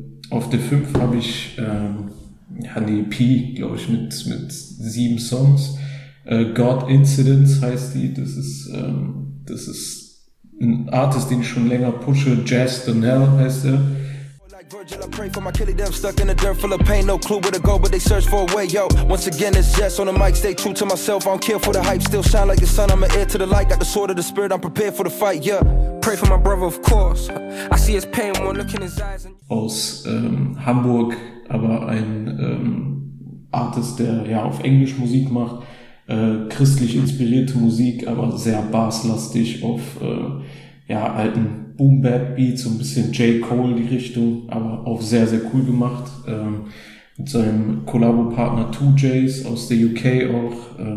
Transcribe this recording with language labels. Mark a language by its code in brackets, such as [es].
[de] Auf der 5 habe ich eine EP, glaube ich, mit 7 Songs. God Incidents heißt die. Das ist ein Artist, den ich schon länger pushe. Jazz Donnell heißt er. [en] Virgil, I pray for my killie, them stuck in a dirt full of pain. No clue where to go, but they search for a way, yo. Once again, it's Jess on the mic, stay true to myself. I don't care for the hype, still shine like the sun. I'm an heir to the light, got the sword of the spirit. I'm prepared for the fight, yeah. Pray for my brother, of course. I see his pain when I look in his eyes. [de] Aus Hamburg, aber ein Artist, der ja auf Englisch Musik macht. Christlich inspirierte Musik, aber sehr basslastig auf alten Boom-Bap-Beats, so ein bisschen J. Cole die Richtung, aber auch sehr, sehr cool gemacht. Mit seinem Kollabo-Partner 2Js aus der UK auch.